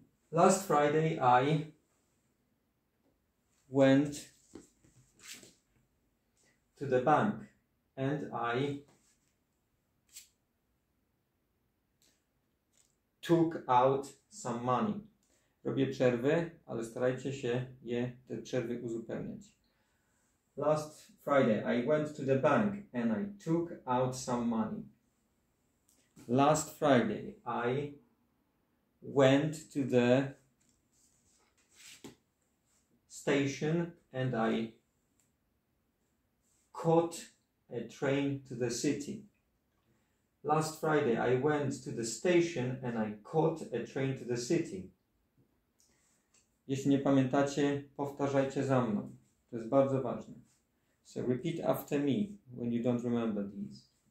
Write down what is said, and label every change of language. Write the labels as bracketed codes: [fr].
[en] Last Friday I went to the bank. And I took out some money. [pl] Robię przerwy, ale starajcie się je, te przerwy uzupełniać. [en] Last Friday I went to the bank and I took out some money. Last Friday I went to the station and I caught a train to the city. Last Friday I went to the station and I caught a train to the city. [pl] Jeśli nie pamiętacie, powtarzajcie za mną. To jest bardzo ważne. [en] So repeat after me when you don't remember these.